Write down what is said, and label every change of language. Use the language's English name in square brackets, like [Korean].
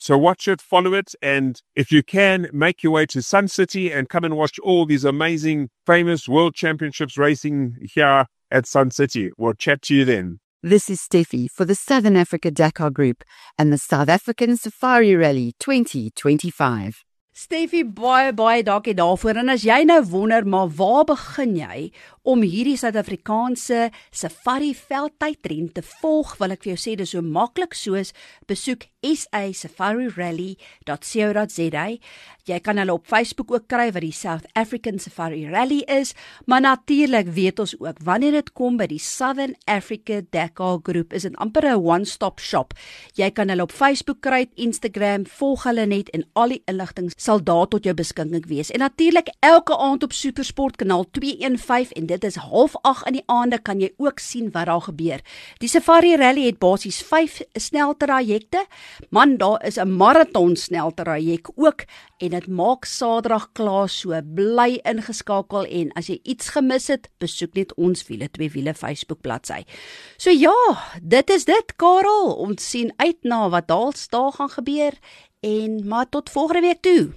[English] So watch it, follow it, and if you can, make your way to Sun City and come and watch all these amazing, famous World Championships racing here at Sun City. We'll chat to you then. This is Steffi for the Southern Africa Dakar Group and the South African Safari Rally 2025. [Afrikaans] Steffi, baie, baie dankie daarvoor. En as jy nou wonder, maar waar begin jy om hierdie Suid-Afrikaanse safari veldtydren te volg, wil ek vir jou sê, dis so maklik soos besoek safarirally.co.za. Jy kan hulle op Facebook ook kry wat die South African Safari Rally is, maar natuurlik weet ons ook, wanneer dit kom by die Southern Africa Dakar Group, is dit amper een one-stop shop. Jy kan hulle op Facebook kry, Instagram, volg hulle net en al die inligting sal daar tot jou beskikking wees. En natuurlik elke aand op Supersport kanaal 215 en dit is 7:30 in die aande, kan jy ook sien wat daar gebeur. Die Safari Rally het basies 5 sneltrajekte. Man, daar is 'n marathon sneltraject ook en het maak Saterdag klaar, so bly ingeskakel en as jy iets gemis het, besoek net ons Wiele 2 Wiele Facebook bladsy. So ja, dit is dit, Karel. Ons sien uit na wat daar gaan gebeur en maar tot volgende week toe.